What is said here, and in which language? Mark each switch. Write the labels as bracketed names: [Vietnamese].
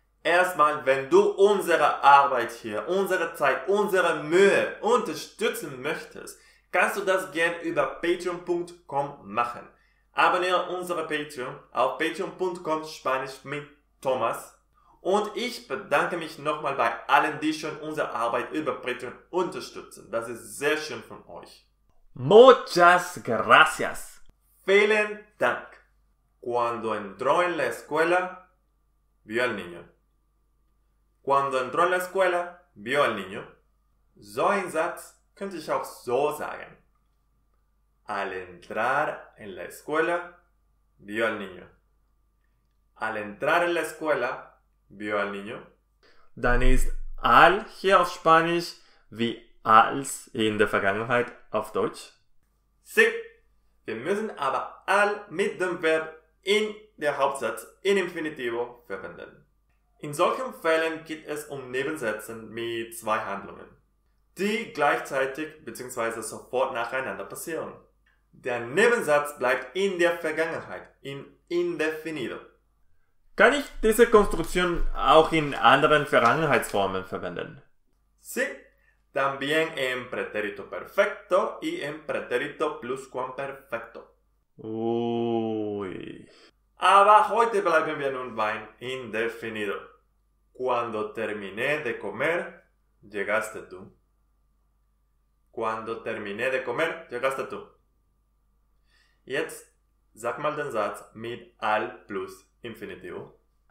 [German] Erstmal, wenn du unsere Arbeit hier, unsere Zeit, unsere Mühe unterstützen möchtest, kannst du das gern über patreon.com machen. Abonniere unsere Patreon auf patreon.com Spanisch mit Thomas. Und ich bedanke mich nochmal bei allen, die schon unsere Arbeit über Patreon unterstützen. Das ist sehr schön von euch. [Spanish] Muchas gracias. [German] Vielen Dank. [Spanish] Cuando entró en la escuela, vio al niño. Cuando entró en la escuela, vio al niño. [German] So ein Satz könnte ich auch so sagen. [Spanish] Al entrar en la escuela, vio al niño. Al entrar en la escuela, vio al niño. [German] Dann ist al hier auf Spanisch wie als in der Vergangenheit auf Deutsch. [Spanish] Sí. [German] Wir müssen aber al mit dem Verb in der Hauptsatz in Infinitivo verwenden. In solchen Fällen geht es um Nebensätze mit zwei Handlungen, die gleichzeitig bzw. sofort nacheinander passieren. Der Nebensatz bleibt in der Vergangenheit, in Indefinido. Kann ich diese Konstruktion auch in anderen Vergangenheitsformen verwenden? [Spanish] Sí, también en pretérito perfecto y en pretérito pluscuamperfecto. Ui. [German] Aber heute bleiben wir nun beim Indefinido. [Spanish] Cuando terminé de comer, llegaste tú. Cuando terminé de comer, llegaste tú. [German] Jetzt sag mal den Satz mit al plus infinitivo.